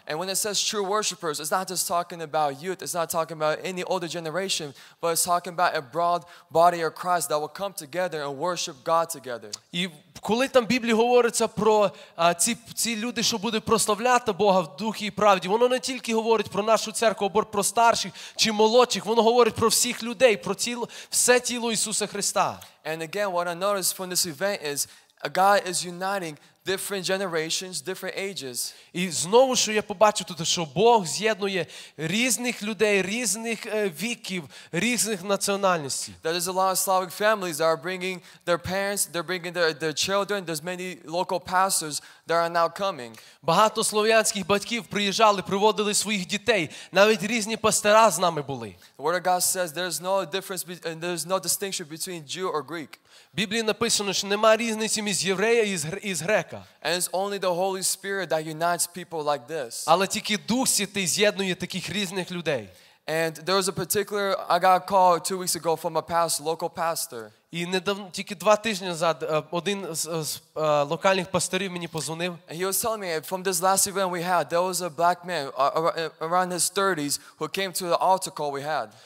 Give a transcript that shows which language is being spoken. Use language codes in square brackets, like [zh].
[en] And when it says true worshipers, it's not just talking about youth, it's not talking about any older generation, but it's talking about a broad body of Christ that will come together and worship God together. [uk] І коли там в Біблії говориться про ці люди, що будуть прославляти Бога в духі і правді, воно не тільки говорить про нашу церкву, або про старших чи молодших, воно говорить про всіх людей, про все тіло Ісуса Христа. [en] And again, what I noticed from this event is God is uniting different generations, different ages. [uk] І знову, що я побачив тут, що Бог з'єднує різних людей, різних віків, різних національностей. [en] There is a lot of Slavic families that are bringing their parents, they're bringing their children, there's many local pastors that are now coming. [uk] Багато слов'янських батьків приїжджали, приводили своїх дітей, навіть різні пастора з нами були. [en] The Word of God says there's no difference, and there's no distinction between Jew or Greek. [uk] В Біблії написано, що немає різниці між євреєм і з грека. [en] And it's only the Holy Spirit that unites people like this. [uk] Але тільки Дух Святий з'єднує таких різних людей. [en] And there was a particular, I got a call 2 weeks ago from a pastor, local pastor. [uk] І недавно, тільки 2 тижні назад, один з локальних пасторів мені позвонив. [en] And he was telling me, from this last event we had, there was a black man around his 30s who came to the altar call we had.